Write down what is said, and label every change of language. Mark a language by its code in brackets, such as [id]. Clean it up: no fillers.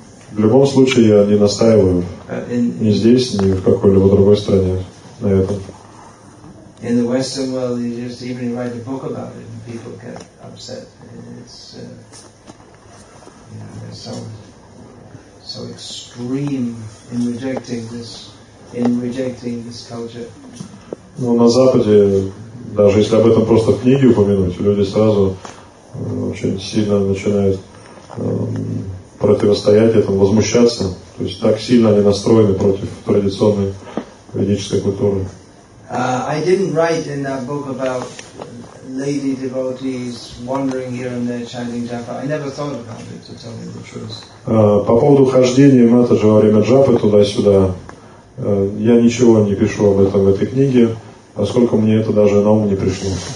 [ru] В любом случае, я не настаиваю ни здесь, ни в какой-либо другой стране на этом. [en] In the Western world, you just even write a book about it, and people get upset. It's they're so extreme in rejecting this culture. [ru] Ну, на Западе, даже если об этом просто в книге упомянуть, люди сразу очень сильно начинают противостоять этому, возмущаться. То есть так сильно они настроены против традиционной ведической культуры. [en] I didn't write in that book about lady devotees wandering here and there chanting japa. I never thought about it, to tell you the truth. [ru] По поводу хождения Матаджи во время джапы туда-сюда, Я ничего не пишу об этом в этой книге, поскольку мне это даже на ум не пришло.